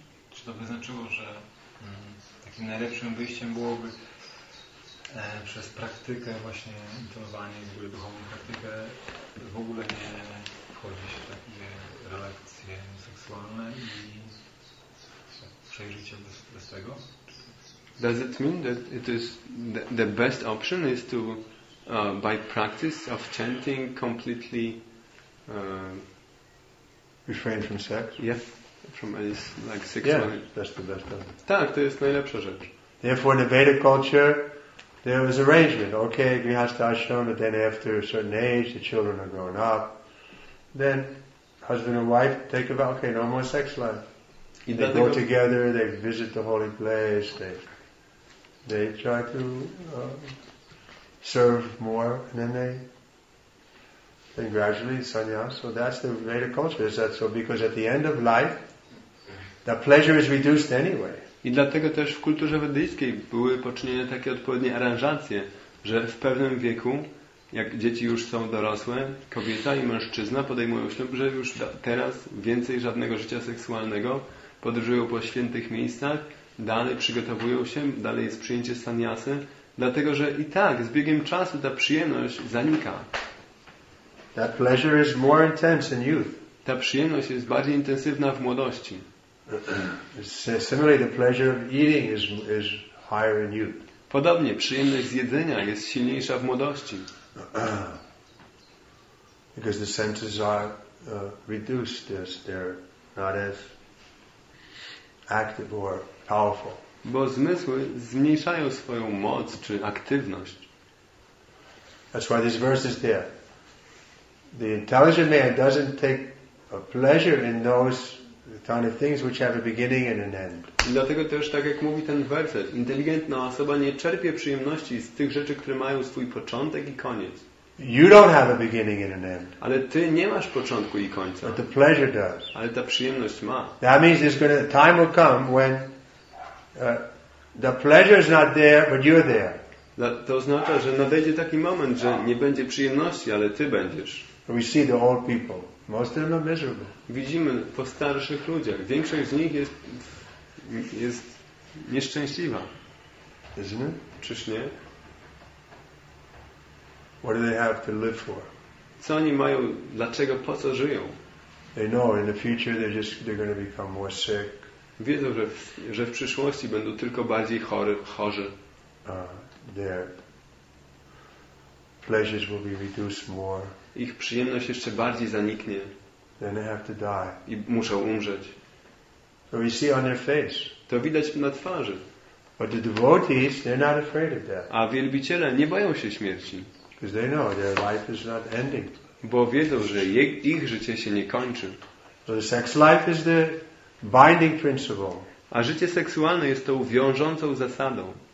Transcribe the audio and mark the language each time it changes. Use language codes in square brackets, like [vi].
[pl] Czy to by znaczyło, że takim najlepszym wyjściem byłoby przez praktykę właśnie intonowanie w ogóle duchową praktykę w ogóle nie wchodzi się w takie relacje seksualne i przejrzycie bez tego? [en] Does it mean that it is the best option is to by practice of chanting completely refrain from sex? Yeah, from any like sex. Yeah, that's the best option. [pl] Tak, to jest najlepsza rzecz. [en] Therefore, in the Vedic culture, there was arrangement. Okay, grihastha ashram, but then after a certain age, the children are grown up. Then husband and wife take a vow. Okay, no more sex life. [pl] I [en] they [pl] dlatego... [en] go together. They visit the holy place. They try to serve more, and then they gradually sannyas. So that's the Vedic culture. Is that so? Because at the end of life, the pleasure is reduced anyway. [pl] I dlatego też w kulturze wedyjskiej były poczynione takie odpowiednie aranżacje, że w pewnym wieku, jak dzieci już są dorosłe, kobieta i mężczyzna podejmują ślub, że już teraz więcej żadnego życia seksualnego, podróżują po świętych miejscach, dalej przygotowują się, dalej jest przyjęcie sannyasy, dlatego że i tak z biegiem czasu ta przyjemność zanika. [en] That pleasure is more intense in youth. [pl] Ta przyjemność jest bardziej intensywna w młodości. [en] Similarly, the pleasure of eating is higher in youth. [pl] Podobnie, przyjemność z jedzenia jest silniejsza w młodości. [en] Because the senses are reduced, they're not as active or powerful. [pl] Bo zmysły zmniejszają swoją moc czy aktywność. [en] That's why this verse is there. The intelligent man doesn't take a pleasure in those kind of things which have a beginning and an end. [pl] Dlatego też, tak jak mówi ten werset, inteligentna osoba nie czerpie przyjemności z tych rzeczy, które mają swój początek i koniec. [en] You don't have a beginning and an end. [pl] Ale ty nie masz początku i końca. [en] But the pleasure does. [pl] Ale ta przyjemność ma. [en] That means there's going to time will come when the pleasure is not there, but you're there. [pl] To oznacza, że nadejdzie taki moment, że nie będzie przyjemności, ale ty będziesz. [en] We see the old people. Most of them are miserable. [pl] Widzimy po starszych ludziach. Większość z nich jest nieszczęśliwa. [en] Isn't it? [pl] Czyż nie? [en] What do they have to live for? [pl] Co oni mają? Dlaczego? Po co żyją? [en] They know in the future they're going to become more sick. [pl] Wiedzą, że w przyszłości będą tylko bardziej chorzy. [en] Their pleasures will be reduced more. [pl] Ich przyjemność jeszcze bardziej zaniknie. [en] Then they have to die. [pl] I muszą umrzeć. [en] So we see on their face. [pl] To widać na twarzy. [en] But the devotees, they're not afraid of death. [pl] A wielbiciele nie boją się śmierci. [en] Because they know their life is not ending. [pl] Bo wiedzą, że ich życie się nie kończy. [en] So the sex life is the binding principle. [pl] A życie seksualne jest tą wiążącą zasadą.